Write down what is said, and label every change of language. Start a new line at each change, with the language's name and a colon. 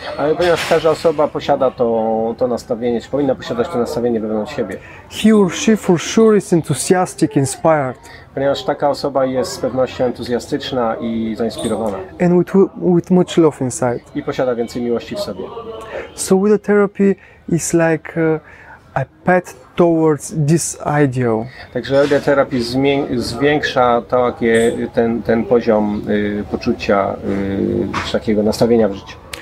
Polish: Ale ponieważ każda osoba posiada to nastawienie, czy powinna posiadać to nastawienie wewnątrz siebie.
English: He or she for sure is enthusiastic, inspired.
Polish: Ponieważ taka osoba jest z pewnością entuzjastyczna i zainspirowana.
English: And with much love inside.
Polish: I posiada więcej miłości w sobie.
English: So with the therapy is like a path towards this ideal.
Polish: Także yoga terapii zwiększa takie ten poziom poczucia takiego nastawienia w życiu.